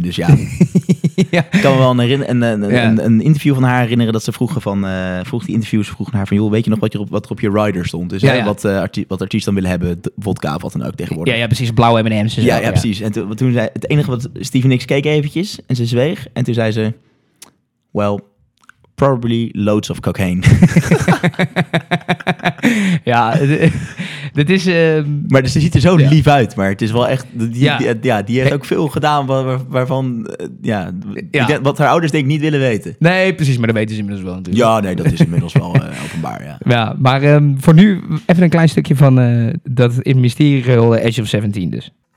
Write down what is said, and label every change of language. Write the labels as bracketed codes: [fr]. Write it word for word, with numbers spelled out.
[nl] Dus ja, ja. Ik kan me wel een, herinner- een, een, ja. een, een interview van haar herinneren dat ze vroegen van, uh, vroeg die interviewers vroegen haar van, joh, weet je nog wat, je op, wat er op je rider stond? Dus ja, hè, ja. Wat, uh, arti- wat artiesten dan willen hebben, vodka of wat dan ook tegenwoordig. Ja, ja precies. Blauwe M en M's. Ja, ja, ja, precies. En to- toen zei, het enige wat Stevie Nicks keek eventjes en ze zweeg en toen zei ze... [en] Well, probably loads of cocaine. [nl] Ja, dat is... Uh, maar ze ziet er zo ja. lief uit, maar het is wel echt... Die, ja. Die, ja, die heeft ook veel gedaan waar, waarvan... Ja, ja. Die, wat haar ouders denk ik niet willen weten. Nee, precies, maar dat weten ze inmiddels wel natuurlijk. Ja, nee, dat is inmiddels wel uh, openbaar, ja. Ja, maar um, voor nu even een klein stukje van uh, dat in mysterie gehulde Edge of zeventien dus.